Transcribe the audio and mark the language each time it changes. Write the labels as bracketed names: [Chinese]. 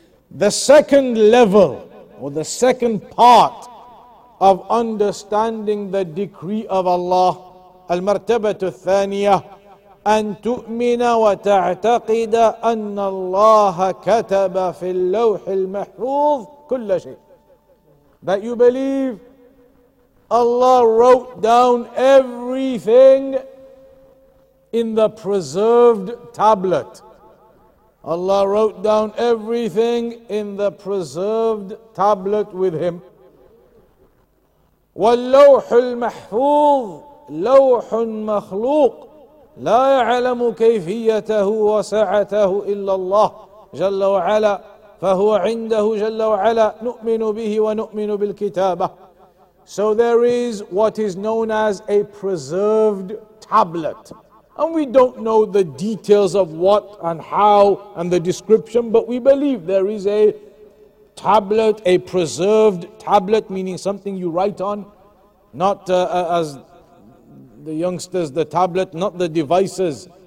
[English] The second level, or the second part of understanding the decree of Allah, [Arabic] المرتبة الثانية, أن تؤمن وتعتقد أن الله كتب في اللوح المحفوظ كل شيء. [English] That you believe Allah wrote down everything in the preserved tablet. Allah wrote down everything in the preserved tablet with Him. [Arabic] واللوح المحفوظ لوح مخلوق لا يعلم كيفيته وسعته إلا الله جل وعلا فهو عنده جل وعلا نؤمن به ونؤمن بالكتابة. [English] So there is what is known as a preserved tablet. And we don't know the details of what and how and the description, but we believe there is a tablet, a preserved tablet, meaning something you write on, not as the youngsters, the tablet, not the devices.